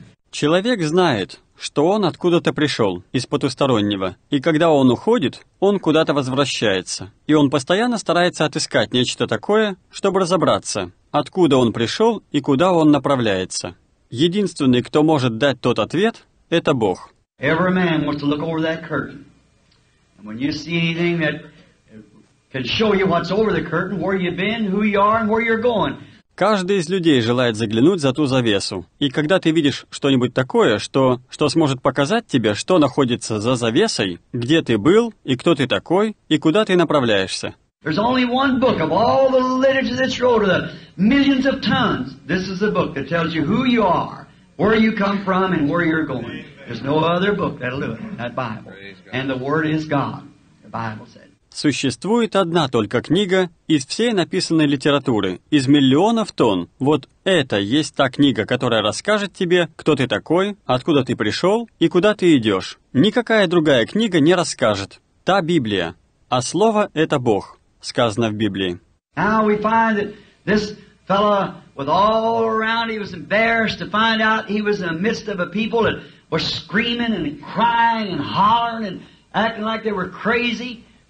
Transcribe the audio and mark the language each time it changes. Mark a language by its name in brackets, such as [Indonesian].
[Russian] Человек знает, что он откуда-то пришел, из потустороннего, и когда он уходит, он куда-то возвращается, и он постоянно старается отыскать нечто такое, чтобы разобраться, откуда он пришел и куда он направляется. Единственный, кто может дать тот ответ, это Бог. [English] Every man wants to look over that curtain. And when you see anything that can show you what's over the curtain, where you've been, who you are, and where you're going. [Russian] Каждый из людей желает заглянуть за ту завесу. И когда ты видишь что-нибудь такое, что сможет показать тебе, что находится за завесой, где ты был и кто ты такой, и куда ты направляешься. [English] There's only one book of all the literature that's wrote of the millions of tons. This is the book that tells you who you are, where you come from, and where you're going. There's no other book that'll do it, that Bible. And the Word is God, the Bible said. [Russian] Существует одна только книга из всей написанной литературы, из миллионов тонн. Вот это есть та книга, которая расскажет тебе, кто ты такой, откуда ты пришел и куда ты идешь. Никакая другая книга не расскажет. Та Библия. А слово — это Бог, сказано в Библии. [English] Now we find that this fellow with all around, he was embarrassed to find out he was in the midst of a people that were screaming and crying and hollering and acting like they were crazy.